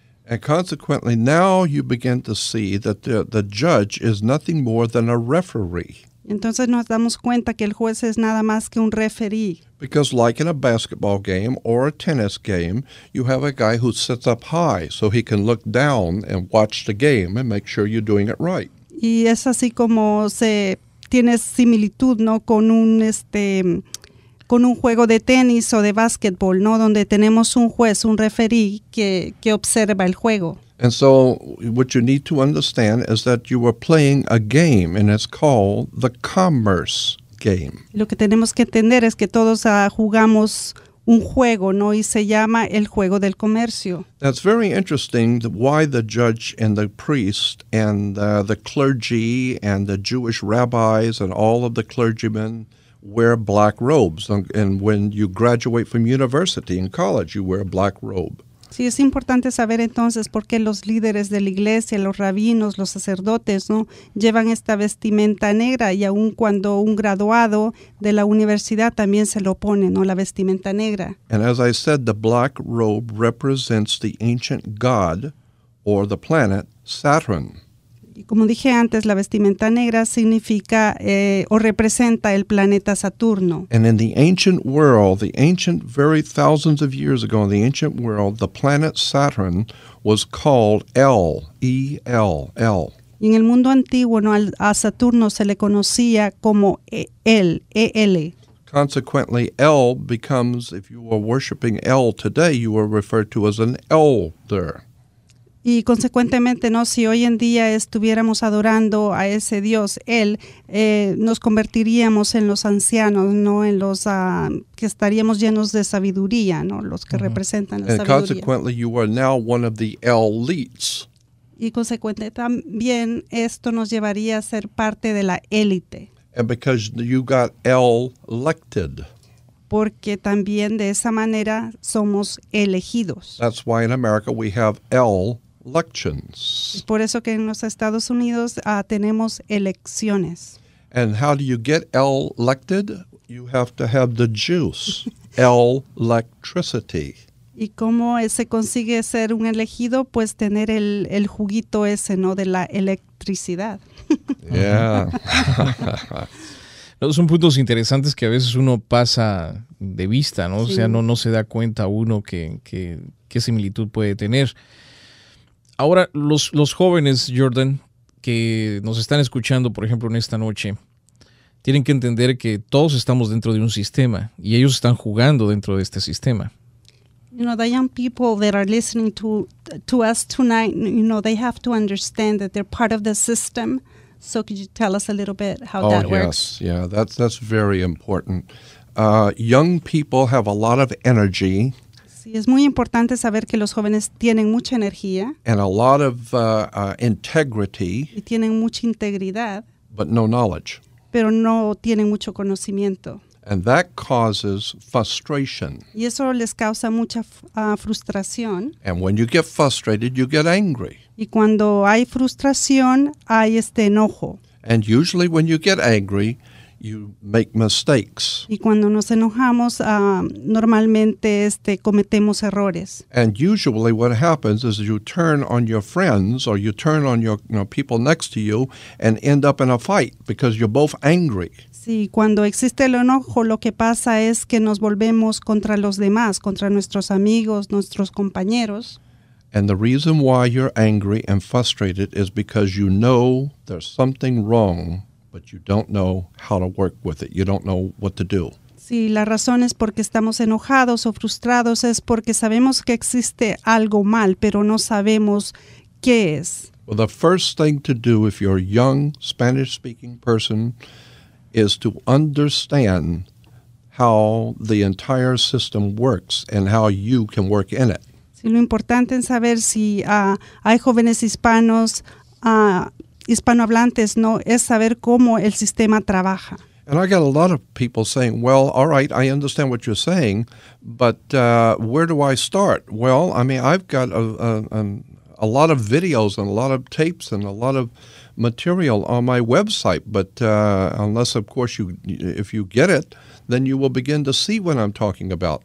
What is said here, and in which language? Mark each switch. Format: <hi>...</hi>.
<en>And consequently, now you begin to see that the judge is nothing more than a referee.</en> <es>Entonces nos damos cuenta que el juez es nada más que un referee.</es> <en>Because like in a basketball game or a tennis game, you have a guy who sits up high so he can look down and watch the game and make sure you're doing it right.</en> <es>Y es así como se tiene similitud, ¿no?, con un juego de tenis o de basketball, ¿no?, donde tenemos un juez, un referee que observa el juego.</es> <en>And so what you need to understand is that you are playing a game, and it's called the commerce game.</en> <es>Lo que tenemos que entender es que todos jugamos un juego, ¿no?, y se llama el juego del comercio.</es> <en>That's very interesting why the judge and the priest and the clergy and the Jewish rabbis and all of the clergymen wear black robes. And when you graduate from university and college, you wear a black robe.</en> <es>Sí, es importante saber entonces por qué los líderes de la iglesia, los rabinos, los sacerdotes, ¿no?, llevan esta vestimenta negra, y aun cuando un graduado de la universidad también se lo pone, ¿no?, la vestimenta negra.</es> <en>And as I said, the black robe represents the ancient god or the planet Saturn.</en> <es>Y como dije antes, la vestimenta negra significa o representa el planeta Saturno.</es> <en>And in the ancient world, the ancient, very thousands of years ago, in the ancient world, the planet Saturn was called El, E-L-L.</en> <es>Y en el mundo antiguo, ¿no?, a Saturno se le conocía como El, E-L.</es> <en>Consequently, El becomes, if you are worshiping El today, you are referred to as an elder.</en> <es>Y consecuentemente, ¿no?, si hoy en día estuviéramos adorando a ese dios, él, nos convertiríamos en los ancianos, ¿no?, en los que estaríamos llenos de sabiduría, ¿no?, los que mm-hmm. representan la</es> <en>And</en> <es>sabiduría.</es> <en>Consequently, you are now one of the elites.</en> <es>Y consecuentemente también esto nos llevaría a ser parte de la élite.</es> <en>And because you got elected.</en> <es>Porque también de esa manera somos elegidos.</es> <en>That's why in America we have elections.</en> <es>Por eso que en los Estados Unidos tenemos elecciones.</es> <en>And how do you get elected? You have to have the juice, electricity.</en> <es>¿Y cómo se consigue ser un elegido? Pues tener el juguito ese, ¿no?, de la electricidad.</es> <en>Yeah.</en> <es>No, son puntos interesantes que a veces uno pasa de vista, ¿no? Sí. O sea, no se da cuenta uno qué similitud puede tener. Ahora, los jóvenes, Jordan, que nos están escuchando, por ejemplo, en esta noche, tienen que entender que todos estamos dentro de un sistema y ellos están jugando dentro de este sistema.</es> <en>You know, the young people that are listening to us tonight, you know, they have to understand that they're part of the system. So could you tell us a little bit how that works? Oh, yes. Yeah, that's very important. Young people have a lot of energy.</en> <es>Sí, es muy importante saber que los jóvenes tienen mucha energía.</es> <en>And a lot of integrity.</en> <es>Y tienen mucha integridad.</es> <en>But no knowledge.</en> <es>Pero no tienen mucho conocimiento.</es> <en>And that causes frustration.</en> <es>Y eso les causa mucha frustración.</es> <en>And when you get frustrated, you get angry.</en> <es>Y cuando hay frustración, hay enojo.</es> <en>And usually when you get angry, you make mistakes.</en> <es>Y cuando nos enojamos, normalmente cometemos errores.</es> <en>And usually what happens is you turn on your friends or you turn on your people next to you and end up in a fight because you're both angry.</en> <es>Sí, cuando existe el enojo, lo que pasa es que nos volvemos contra los demás, contra nuestros amigos, nuestros compañeros.</es> <en>And the reason why you're angry and frustrated is because you know there's something wrong, but you don't know how to work with it. You don't know what to do.</en> <es>Sí, la razón es porque estamos enojados o frustrados es porque sabemos que existe algo mal, pero no sabemos qué es.</es> <en>Well, the first thing to do if you're a young Spanish-speaking person is to understand how the entire system works and how you can work in it.</en> <es>Sí, lo importante es saber si hay jóvenes hispanos, hispanohablantes, ¿no? Es saber cómo el sistema trabaja.</es> <en>And I got a lot of people saying, well, all right, I understand what you're saying, but where do I start? Well, I mean, I've got a lot of videos and a lot of tapes and a lot of material on my website, but unless, of course, if you get it, then you will begin to see what I'm talking about.</en>